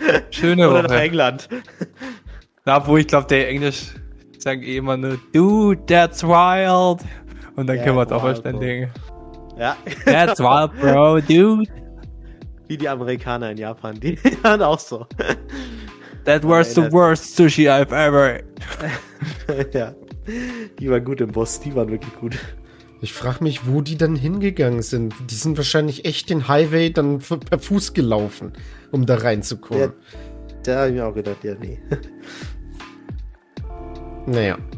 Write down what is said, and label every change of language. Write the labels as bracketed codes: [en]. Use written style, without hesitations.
[de] Schöne Woche. Oder nach England. Da, wo ich glaube, der Englisch sagt eh immer nur, [en] dude, that's wild. [de] Und dann können wir es auch verständigen. Ja. [en] That's wild, bro, dude. [de] Wie die Amerikaner in Japan, die waren auch so. [en] That was the worst sushi I've ever. [de] Ja. Die waren gut im Bus, die waren wirklich gut. Ich frage mich, wo die dann hingegangen sind. Die sind wahrscheinlich echt den Highway dann per Fuß gelaufen, um da reinzukommen. Da habe ich mir auch gedacht, ja, nee. Naja.